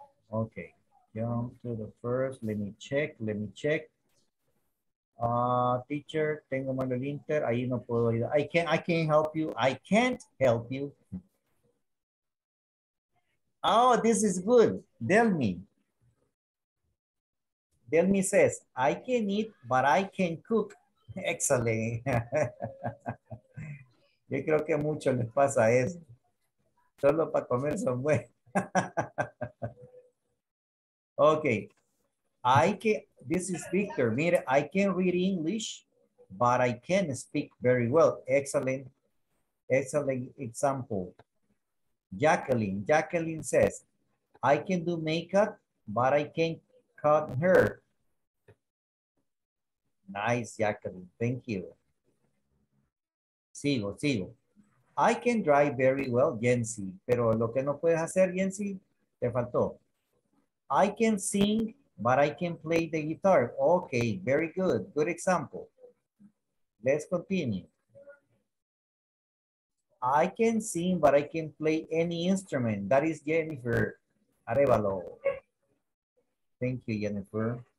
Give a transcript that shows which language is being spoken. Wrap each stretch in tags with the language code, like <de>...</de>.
<en>Ok, jump to the first, let me check. Teacher,</en> <es>tengo mal el inter, ahí no puedo ayudar.</es> <en>I can't help you. Oh, this is good. Delmi says, I can eat, but I can cook. Excellent.</en> <es>Yo creo que mucho les pasa eso. Solo para comer son buenos.</es> <en>Okay. This is Victor.</en> <es>Mire,</es> <en>I can read English, but I can speak very well. Excellent. Excellent example. Jacqueline says, I can do makeup, but I can't cut hair. Nice, Jacqueline. Thank you.</en> <es>Sigo.</es> <en>I can drive very well, Jensi.</en> <es>Pero lo que no puedes hacer, Jensi, te faltó.</es> <en>I can sing, but I can play the guitar. Okay, very good. Good example. Let's continue. I can sing, but I can play any instrument. That is Jennifer Arevalo. Thank you, Jennifer.</en>